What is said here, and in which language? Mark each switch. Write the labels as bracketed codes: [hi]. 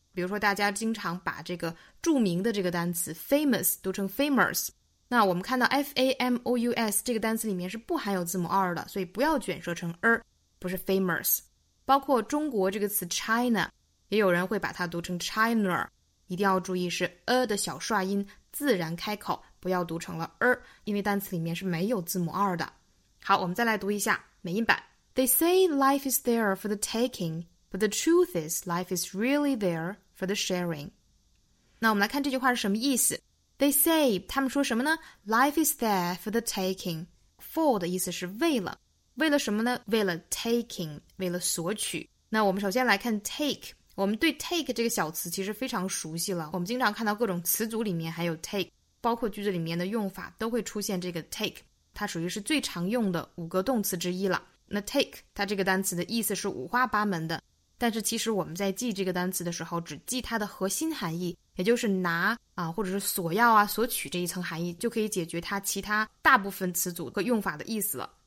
[zh] 比如说大家经常把这个著名的这个单词 famous 读成 famous， 那我们看到 famous 这个单词里面是不含有字母二的，所以不要卷舌成 r， 不是 famous。包括中国这个词 China， 也有人会把它读成 China， 一定要注意是 a 的小刷音，自然开口，不要读成了 r， 因为单词里面是没有字母二的。好，我们再来读一下美音版。 [en] They say life is there for the taking, but the truth is life is really there for the sharing. [zh] 那我们来看这句话是什么意思。 [en] They say, [zh] 他们说什么呢？ [en] Life is there for the taking. [zh] For 的意思是为了。为了什么呢？为了 taking， 为了索取。那我们首先来看 take， 我们对 take 这个小词其实非常熟悉了，我们经常看到各种词组里面还有 take， 包括句子里面的用法都会出现这个 take， 它属于是最常用的五个动词之一了。那 take 它这个单词的意思是五花八门的，但是其实我们在记这个单词的时候只记它的核心含义，也就是拿啊，或者是索要啊，索取这一层含义，就可以解决它其他大部分词组和用法的意思了。